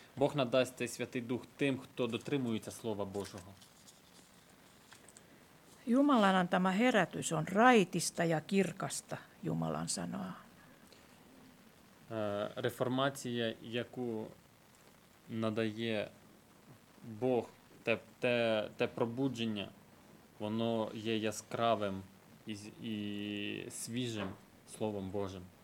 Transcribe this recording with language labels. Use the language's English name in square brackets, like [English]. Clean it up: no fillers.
[Ukrainian] Бог надасть цей Святий Дух тим, хто дотримується Слова Божого. [Finnish] Jumalan antama herätys on raitista ja kirkasta, Jumalan sanaa. [Ukrainian] Реформація, яку надає Бог, те пробудження, воно є яскравим і свіжим Словом Божим.